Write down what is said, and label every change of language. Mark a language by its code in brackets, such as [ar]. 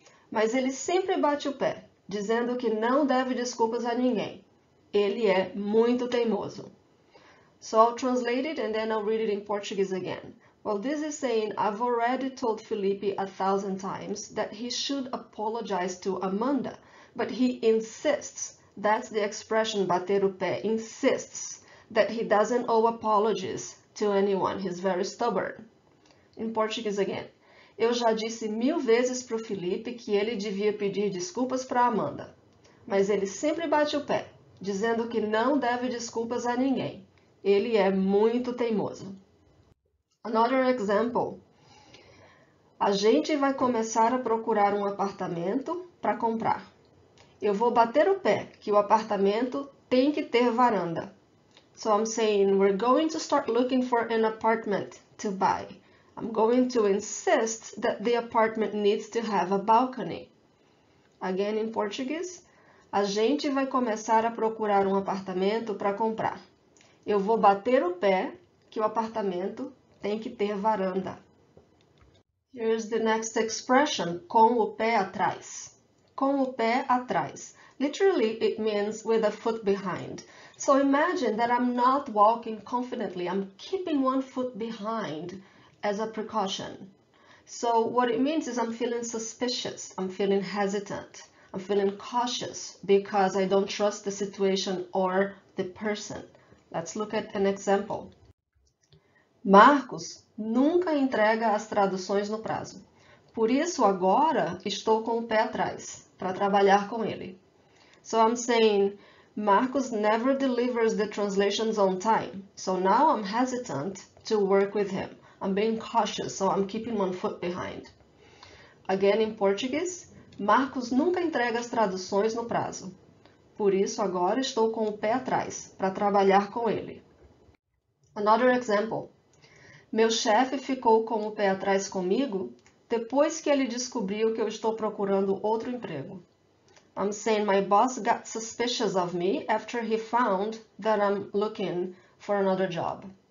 [pt] Mas ele sempre bate o pé, dizendo que não deve desculpas a ninguém. Ele é muito teimoso. [en] So I'll translate it and then I'll read it in Portuguese again. Well, this is saying I've already told Felipe 1,000 times that he should apologize to Amanda, but he insists. That's the expression bater o pé, insists that he doesn't owe apologies to anyone. He's very stubborn. In Portuguese again. [pt] Eu já disse mil vezes para o Felipe que ele devia pedir desculpas para Amanda, mas ele sempre bate o pé, dizendo que não deve desculpas a ninguém. Ele é muito teimoso. [en] Another example. [pt] A gente vai começar a procurar um apartamento para comprar. Eu vou bater o pé que o apartamento tem que ter varanda. [en] So I'm saying we're going to start looking for an apartment to buy. I'm going to insist that the apartment needs to have a balcony. Again in Portuguese. [pt] A gente vai começar a procurar um apartamento para comprar. Eu vou bater o pé que o apartamento tem que ter varanda. [en] Here's the next expression, com o pé atrás. Com o pé atrás. Literally, it means with a foot behind. So imagine that I'm not walking confidently. I'm keeping one foot behind as a precaution. So what it means is I'm feeling suspicious. I'm feeling hesitant. I'm feeling cautious because I don't trust the situation or the person. Let's look at an example. [pt] Marcos nunca entrega as traduções no prazo. Por isso, agora estou com o pé atrás para trabalhar com ele. [en] So I'm saying Marcus never delivers the translations on time. So now I'm hesitant to work with him. I'm being cautious, so I'm keeping one foot behind. Again in Portuguese, [pt] Marcus nunca entrega as traduções no prazo. Por isso, agora estou com o pé atrás para trabalhar com ele. [en] Another example. [pt] Meu chefe ficou com o pé atrás comigo depois que ele descobriu que eu estou procurando outro emprego. [en] I'm saying my boss got suspicious of me after he found that I'm looking for another job.